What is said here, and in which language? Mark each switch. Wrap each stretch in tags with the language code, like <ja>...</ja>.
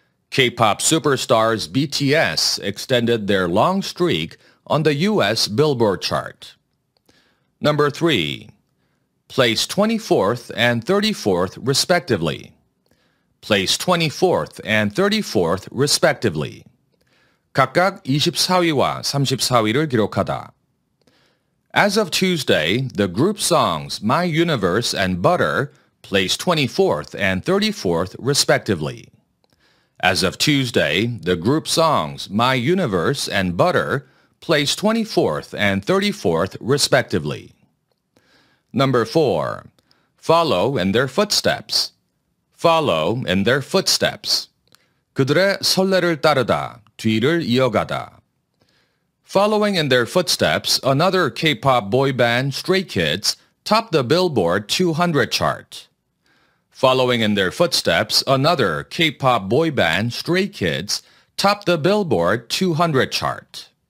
<en>K-pop superstars BTS extended their long streak on the US Billboard chart. Number 3. Place 24th and 34th respectively. Place 24th and 34th respectively.</en> <ko>각각 24위와 34위를 기록하다.</ko> <en>As of Tuesday, the group songs My Universe and Butter placed 24th and 34th respectively. As of Tuesday, the group songs My Universe and Butter placed 24th and 34th respectively. Number 4. Follow in their footsteps. Follow in their footsteps.</en> <ko>그들의 선례를 따르다, 뒤를 이어가다.</ko> <en>Following in their footsteps, another K-pop boy band, Stray Kids, topped the Billboard 200 chart. Following in their footsteps, another K-pop boy band, Stray Kids, topped the Billboard 200 chart.</en>